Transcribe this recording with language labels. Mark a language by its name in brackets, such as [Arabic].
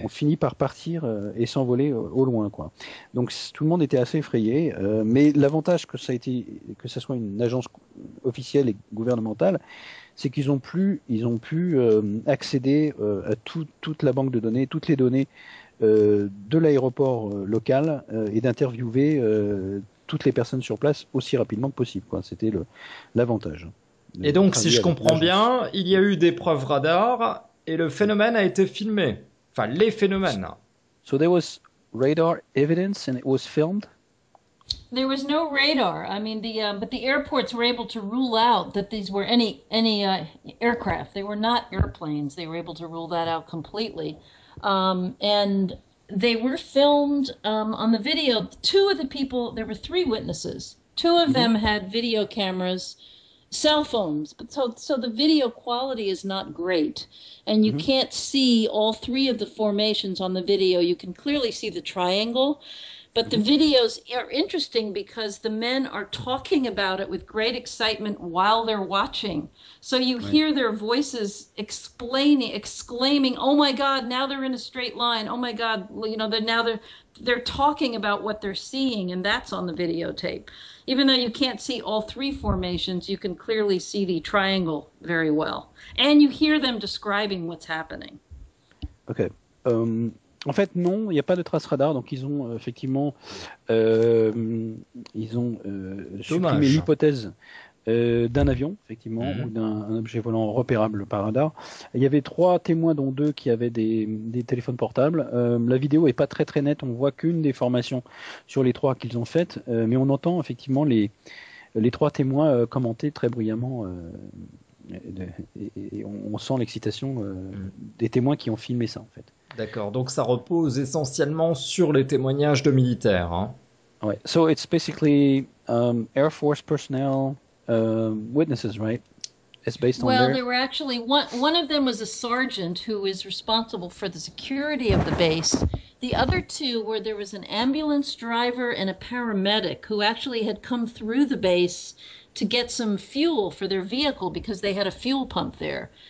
[French] Où on finit par partir et s'envoler au loin quoi. Donc tout le monde était assez effrayé, mais l'avantage que ce soit une agence officielle et gouvernementale, c'est qu'ils ont plus, ils ont pu accéder à toute la banque de données, toutes les données de l'aéroport local et d'interviewer toutes les personnes sur place aussi rapidement que possible, quoi. C'était l'avantage. Et donc, si je comprends bien, il y a eu des preuves radar et le phénomène a été filmé. Enfin, les phénomènes. [English] So there was radar evidence and it was filmed. There was no radar. I mean, but the airports were able to rule out that these were any aircraft. They were not airplanes. They were able to rule that out completely. And they were filmed on the video. Two of the people, there were three witnesses. Two of them had video cameras, cell phones. But so the video quality is not great. And you can't see all three of the formations on the video. You can clearly see the triangle. But the videos are interesting because the men are talking about it with great excitement while they're watching. So you hear their voices exclaiming, oh my God, now they're in a straight line. Oh my God, you know, they're talking about what they're seeing, and that's on the videotape. Even though you can't see all three formations, you can clearly see the triangle very well. And you hear them describing what's happening. Okay. [French] En fait, non, il n'y a pas de trace radar, donc ils ont effectivement supprimé l'hypothèse d'un avion, effectivement, ou d'un objet volant repérable par radar. Il y avait trois témoins, dont deux qui avaient des téléphones portables. La vidéo n'est pas très très nette, on voit qu'une des formations sur les trois qu'ils ont faites, mais on entend effectivement les trois témoins commenter très bruyamment. Et on sent l'excitation des témoins qui ont filmé ça, en fait. D'accord, donc ça repose essentiellement sur les témoignages de militaires. Hein. [English] Right. So it's basically Air Force personnel, witnesses, right? It's based well, on their... there were actually one of them was a sergeant who was responsible for the security of the base. The other two were there was an ambulance driver and a paramedic who actually had come through the base to get some fuel for their vehicle because they had a fuel pump there.